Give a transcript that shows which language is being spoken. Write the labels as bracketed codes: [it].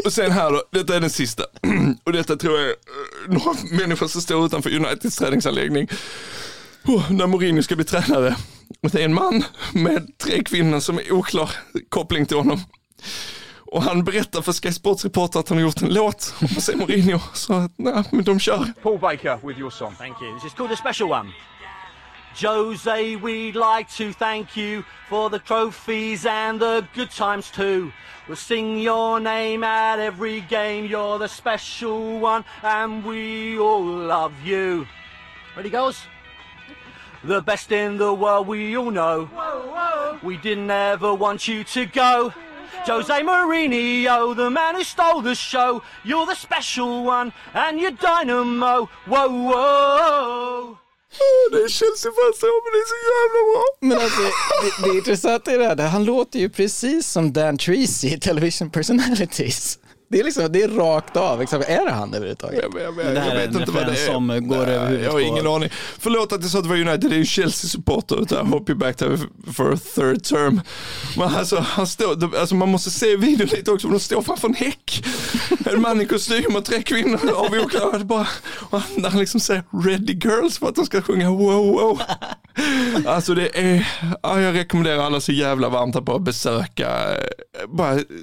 [sv] Och sen här då, detta är den sista. Och detta tror jag några människor som står utanför Uniteds träningsanläggning när Mourinho ska bli tränare. Och det är en man med 3 kvinnor som är oklar koppling till honom. Och han berättar för Sky Sports reporter att han har gjort en låt om Jose Mourinho, så att nej, men de kör. [en] Paul Baker with your song. Thank you. This is called a special one. Jose, we'd like to thank you for the trophies and the good times too. We'll sing your name at every game. You're the special one and we all love you. Ready goes. The best in the world, we all know. Whoa, whoa. We didn't ever want you to go. Jose Mourinho, the man who stole the show. You're the special one and you're dynamo. Whoa, whoa. [sv] Det känns ju bara så, men det är så jävla bra. Men alltså, det intressanta är det här. Han låter ju precis som Dan Treacy i Television Personalities. Det är liksom, det är rakt av. Är det han överhuvudtaget? Jag vet inte vad det är. Som går över huvudet. Jag har ingen aning. Förlåt att det sa att det var United. Det är ju Chelsea-supporter. [en] I hope you're back for a third term. [sv] Men alltså, han står, alltså man måste se videon lite också. De står framför en häck. En man i kostym och 3 kvinnor. Och vi åker bara. Och han liksom säger [en] ready girls [sv] för att de ska sjunga wow wow. Alltså det är... Ja, jag rekommenderar alla så jävla varmt att bara besöka. Bara...